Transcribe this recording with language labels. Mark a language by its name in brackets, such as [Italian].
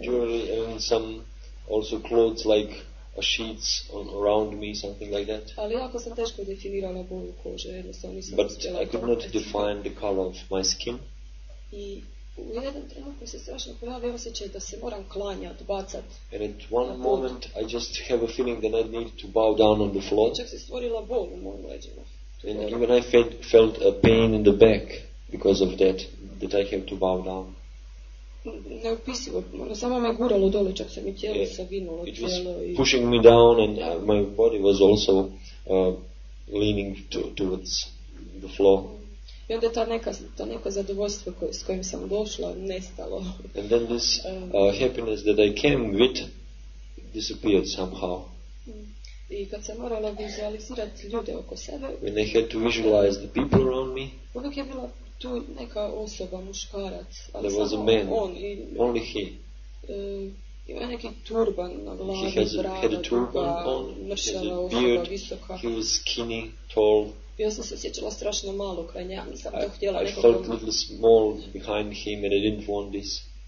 [English] Jewelry and some also clothes like sheets around me, something like that. [Serbian] Али ако сам тешко дефинирала боју коже, едноставно нисам. [English] But I could not define the color of my skin. [Serbian] И у еден тренуток се страшно појави осеќај да се морам кланјат, бацат. [English] And at one moment I just have a feeling that I need to bow down on the floor. [Serbian] Чак се створила бол у мојот леѓа. [English] And even I felt a pain in the back because of that I have to bow down. [Serbian] Неописиво, само ме гурало доле, чак се ми тело савинуло, тело и. [English] It was pushing me down and my body was also leaning towards the floor. [Serbian] И онде та неко задоволство с којим сам дошла нестало. [English] And then this happiness that I came with disappeared somehow. [Serbian] И кога се морала визуализирати луѓе око себе. [English] When I had to visualize the people around me. [Serbian] Увек е била ту нека особа, мушкарац. [English] There was a man. [Serbian] Он, и, [English] only he. [Serbian] Има неки турбан на глави, [English] брада. He had a turban on. [Serbian] Мршава, [English] he had a beard. He was skinny, tall. [Serbian] Јас сум се сеќала страшно мало кај неа, мислам тоа хтела некој. [English] I felt a little small behind him and I didn't want this.